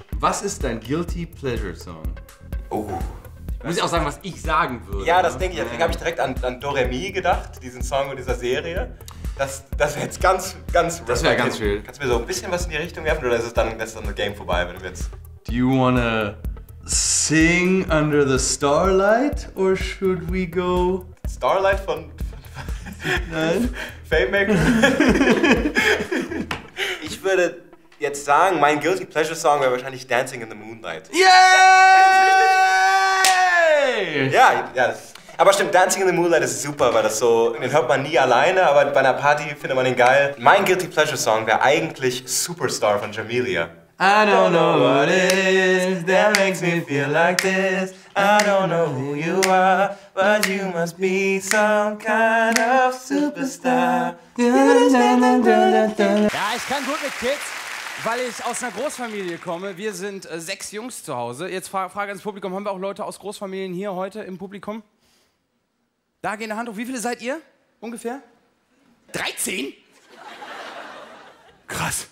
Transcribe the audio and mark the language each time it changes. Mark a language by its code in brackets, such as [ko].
[de] Was ist dein Guilty Pleasure Song? Oh. Muss ich auch sagen, was ich sagen würde. Ja, das denke ich. Deswegen habe ich direkt an Doremi gedacht, diesen Song und dieser Serie. Das wäre jetzt ganz, ganz... Das wäre ganz schön. Kannst du mir so ein bisschen was in die Richtung werfen oder ist es dann das Game vorbei, wenn du jetzt... [en] Do you wanna sing under the starlight or should we go... [de] Starlight von... Nein. Fame-Maker. Ich würde jetzt sagen, mein Guilty Pleasure Song wäre wahrscheinlich Dancing in the Moonlight. [en] Yeah! [de] Ja, aber stimmt, Dancing in the Moonlight ist super, weil das so, den hört man nie alleine, aber bei einer Party findet man den geil. Mein Guilty Pleasure Song wäre eigentlich Superstar von Jamelia. [en] I don't know what it is that makes me feel like this. I don't know who you are, but you must be some kind of superstar. [de] Ja, ich kann gut mit Kids, weil ich aus einer Großfamilie komme. Wir sind sechs Jungs zu Hause. Jetzt Frage ans Publikum, haben wir auch Leute aus Großfamilien hier heute im Publikum? Da geht eine Hand hoch. Wie viele seid ihr ungefähr? 13? Krass.